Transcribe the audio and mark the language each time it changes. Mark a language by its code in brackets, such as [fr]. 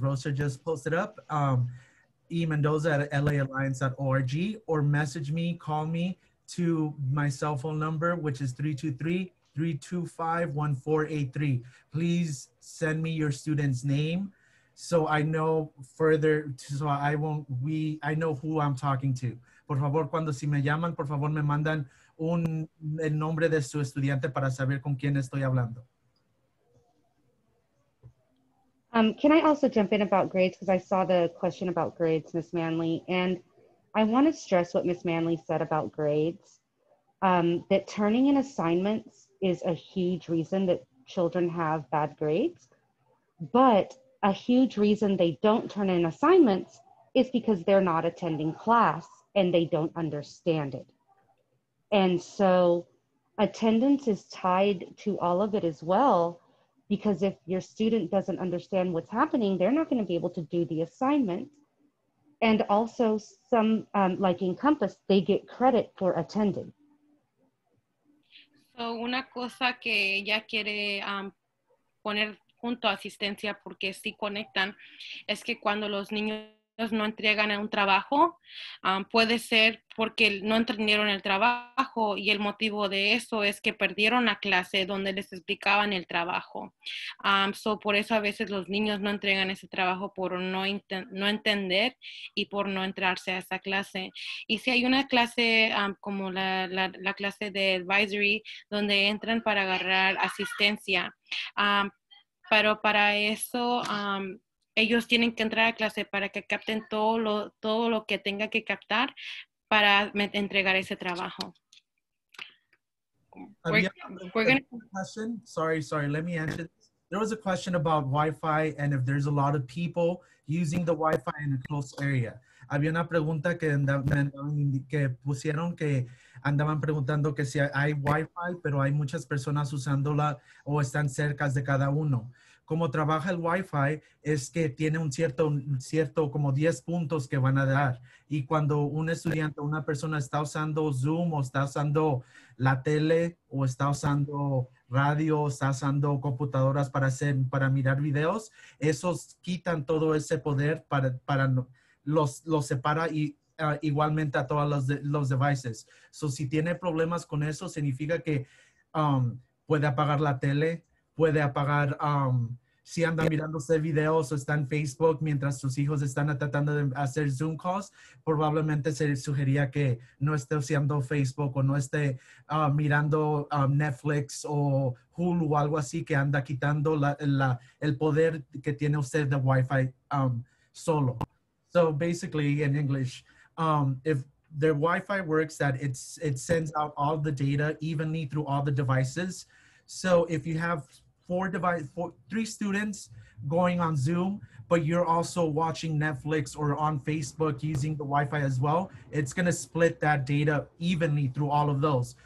[en] Rosa just posted up, emendoza@laalliance.org, or message me, call me to my cell phone number, which is 323 325-1483. Please send me your student's name so I know further, I know who I'm talking to. Por favor, cuando si me llaman, por favor, me mandan el nombre de su estudiante para saber con quién estoy hablando. Can I also jump in about grades? Because I saw the question about grades, Ms. Manley. And I want to stress what Ms. Manley said about grades, that turning in assignments is a huge reason that children have bad grades. But a huge reason they don't turn in assignments is because they're not attending class and they don't understand it. And so attendance is tied to all of it as well. Because if your student doesn't understand what's happening, they're not going to be able to do the assignment. And also some, like in Compass, they get credit for attending. [es] So una cosa que ella quiere poner junto a asistencia, porque sí conectan, es que cuando los niños no entregan un trabajo, puede ser porque no entendieron el trabajo, y el motivo de eso es que perdieron la clase donde les explicaban el trabajo. So por eso a veces los niños no entregan ese trabajo por no entender y por no entrarse a esa clase. Y si hay una clase como la clase de advisory, donde entran para agarrar asistencia, pero para eso ellos tienen que entrar a clase para que capten todo lo que tenga que captar para entregar ese trabajo. [en] Sorry, let me answer this. There was a question about Wi-Fi and if there's a lot of people using the Wi-Fi in a close area. [es] Había una pregunta que pusieron que andaban preguntando que si hay Wi-Fi, pero hay muchas personas usándola o están cerca de cada uno. Como trabaja el Wi-Fi, es que tiene un cierto como 10 puntos que van a dar. Y cuando un estudiante, una persona está usando Zoom o está usando la tele o está usando radio, o está usando computadoras para mirar videos, esos quitan todo ese poder para los separa y igualmente a todos los devices. So, si tiene problemas con eso, significa que puede apagar la tele, puede apagar, si anda mirándose videos o está en Facebook mientras sus hijos están tratando de hacer Zoom calls, probablemente se sugería que no esté usando Facebook o no esté mirando Netflix o Hulu o algo así, que anda quitando el poder que tiene usted de Wi-Fi solo. [en] So basically in English, if their Wi-Fi works, that it sends out all the data evenly through all the devices. So if you have three students going on Zoom, but you're also watching Netflix or on Facebook using the Wi-Fi as well, it's gonna split that data evenly through all of those.